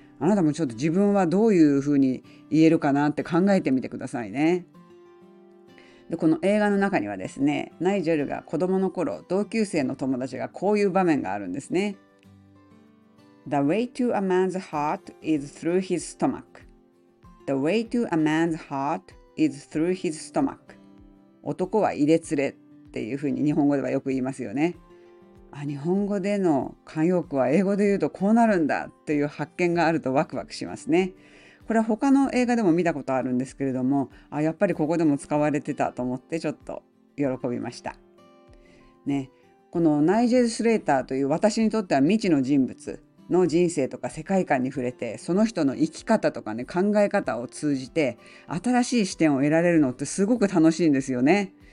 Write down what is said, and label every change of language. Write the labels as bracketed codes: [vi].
[ja] あなたもちょっと自分はどういうふうに言えるかなって考えてみてくださいね。でこの映画の中にはですね、ナイジェルが子供の頃同級生の友達がこういう場面があるんですね。 [en] The way to a man's heart is through his stomach. The way to a man's heart is through his stomach. [ja] 男は入れつれっていうふうに日本語ではよく言いますよね。あ、日本語での慣用句は英語で言うとこうなるんだっていう発見があるとワクワクしますね。これは他の映画でも見たことあるんですけれども、あ、やっぱりここでも使われてたと思ってちょっと喜びました、ね、このナイジェル・スレーターという私にとっては未知の人物の人生とか世界観に触れて、その人の生き方とかね、考え方を通じて新しい視点を得られるのってすごく楽しいんですよね。